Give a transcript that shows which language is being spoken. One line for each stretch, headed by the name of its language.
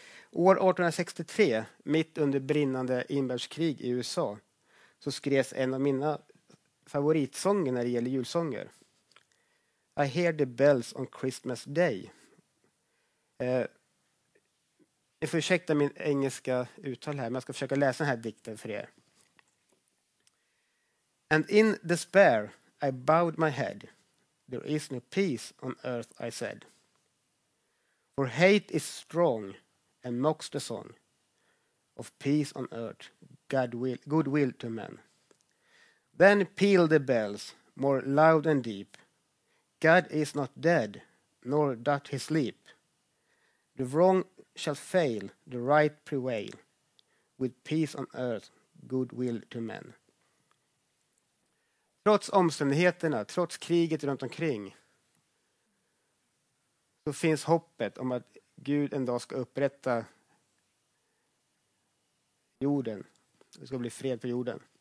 Swedish: År 1863, mitt under brinnande inbördeskrig i USA, så skrevs en av mina favoritsånger när det gäller julsånger.
English: I hear the bells on Christmas Day.
Swedish: Jag får ursäkta min engelska uttal här, men jag ska försöka läsa den här dikten för er.
English: And in despair I bowed my head. There is no peace on earth, I said. For hate is strong and mocks the song of peace on earth, goodwill to men. Then peal the bells more loud and deep. God is not dead, nor doth he sleep. The wrong shall fail, the right prevail, with peace on earth, goodwill to men.
Swedish: Trots omständigheterna, trots kriget runt omkring, så finns hoppet om att Gud en dag ska upprätta jorden. Det ska bli fred på jorden.